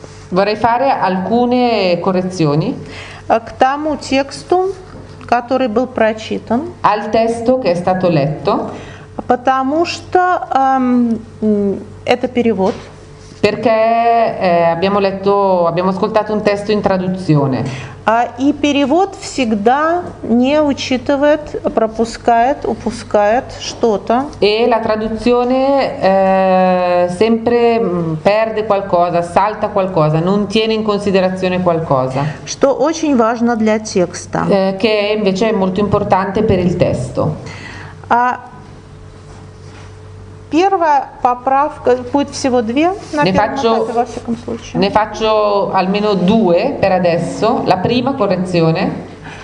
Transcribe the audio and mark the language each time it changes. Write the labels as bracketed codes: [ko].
[it] Vorrei fare alcune correzioni. [ru] К тому тексту, который был прочитан. [it] Al testo che è stato letto. [ru] Потому что это перевод. [it] Perché abbiamo ascoltato un testo in traduzione. [ru] И перевод всегда не учитывает, пропускает, упускает что-то. [it] E la traduzione sempre perde qualcosa, salta qualcosa, non tiene in considerazione qualcosa. [ru] Что очень важно для текста. [it] Che invece è molto importante per il testo. [ru] Первая поправка будет всего две на первом этапе во всяком случае. [it] Ne faccio almeno due per adesso. La prima correzione.